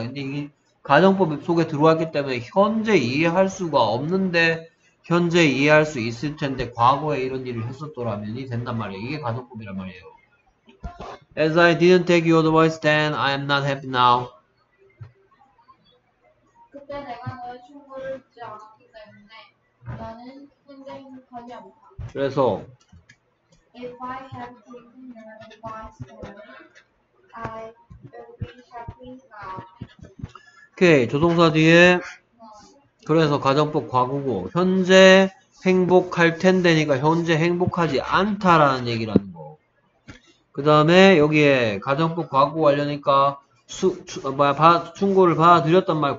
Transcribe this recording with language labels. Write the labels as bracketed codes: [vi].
[ko] 근데 이게 가정법이 속에 들어왔기 때문에 현재 이해할 수가 없는데 현재 이해할 수 있을 텐데 과거에 이런 일을 했었더라면이 된단 말이에요. 이게 가정법이란 말이에요. [en] As I didn't take your advice then, I am not happy now. [ko] 그때 내가 너의 충고를 듣지 않았기 때문에 나는 현재 행복하지 않다. 그래서 [en] If I had taken your advice then, I would be happy now. [ko] 오케이, 조동사 뒤에 그래서 가정법 과거고 현재 행복할 텐데니까 현재 행복하지 않다라는 얘기라는 거. 그 다음에 여기에 가정법 과거 완료니까 충고를 받아들였단 말이야.